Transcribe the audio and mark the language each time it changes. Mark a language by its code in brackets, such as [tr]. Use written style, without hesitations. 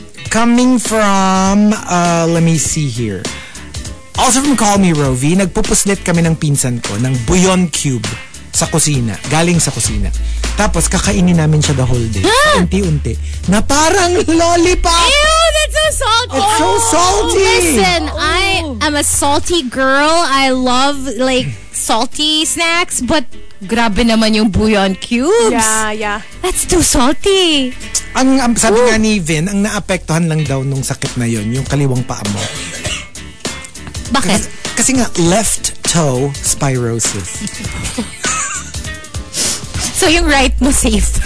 [en] Coming from, let me see here. Also from [tl] Call Me Rovi, nagpupuslit kami ng pinsan ko ng bouillon cube sa kusina. Galing sa kusina. Tapos kakainin namin siya [en] the whole day. Huh? [tl] Unti-unti. Na parang lollipop. [en] Ew! That's so salty. It's so salty. Listen, I am a salty girl. I love like salty snacks. But [tl] grabe naman yung [en] bouillon cubes. Yeah. That's too salty. [tl] Ang sabi nga ni Vin, ang naapektuhan lang daw nung sakit na yon, yung kaliwang paa mo. Bakit? Kasi nga, left toe spirosis. So yung right mo safe.